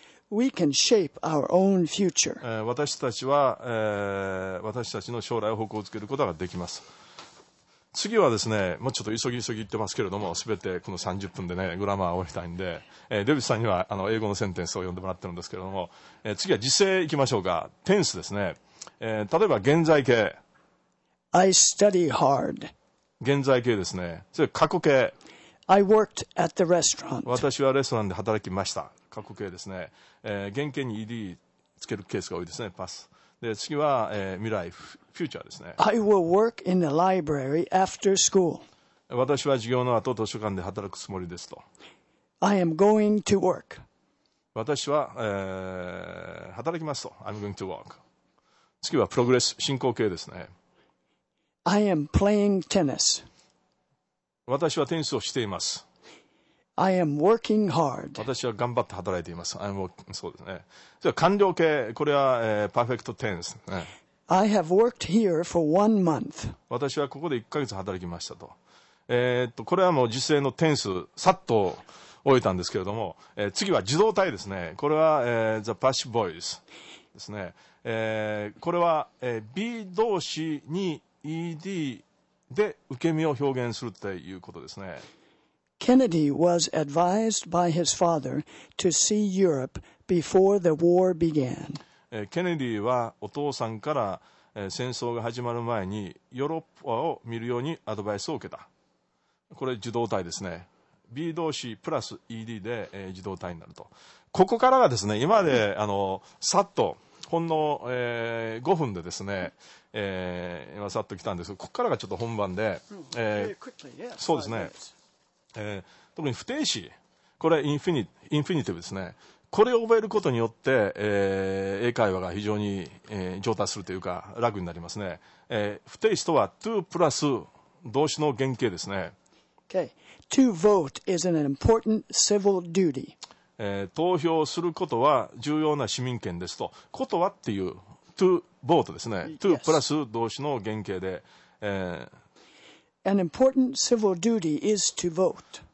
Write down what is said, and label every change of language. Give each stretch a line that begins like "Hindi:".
English: We can shape our own future.
Japanese: 私たちの将来を方向づけることができます。次はですね、ちょっと急ぎ言ってますけれども、すべてこの30分でね、グラマーを終わりたいんで、デビッドさんには英語のセンテンスを読んでもらってるんですけれども、次は時制いきましょうか。テンスですね。例えば現在形。
English: I study hard.
Japanese: 現在形ですね。それ過去形。
English: I worked at the restaurant.
Japanese: 私はレストランで働きました。過去形ですね。原形に ED つけるケースが多いですね。パス。で、次は、未来、フューチャーですね。
English: I will work in the library after school.
Japanese: 私は授業の後図書館で働くつもりですと。
English: I am going to work.
Japanese: 私は、働きますと。
English: I'm going to work.
Japanese: 次はプログレス、進行形ですね。
English: I am playing tennis.
Japanese: 私はテニスをしています。
English: I am working hard.
Japanese: 私は頑張って働いています。
English: I'm working.
Japanese: そうですね。じゃあ完了形、これは、perfect tense.
English: I have worked here for 1 month.
Japanese: 私はここで1ヶ月働きましたと。これはもう時制の点数、さっと終えたんですけれども、次は受動態ですね。これは、The Passive Voice ですね。これは、B 動詞に ED で受け身を表現するということですね。
English: Kennedy was advised by his father to see Europe before the war began.
Japanese: ケネディはお父さんから戦争が始まる前にヨーロッパを見るようにアドバイスを受けた。これ受動態ですね。B 動詞プラス ED で受動態になると。ここからがですね、今までさっとほんの、5分でですね、今さっと来たんですが、ここからがちょっと本番で、そうですね、特に不定詞、これインフィニティブですね、これを覚えることによって、英会話が非常に、上達するというか楽になりますね。不定詞とは to プラス動詞の原型ですね。
English: Okay. To vote is an important civil duty.
Japanese: 投票することは重要な市民権ですと。ことはっていう to vote ですね、yes. to プラス動詞の原型で、
English: An important civil duty is to vote.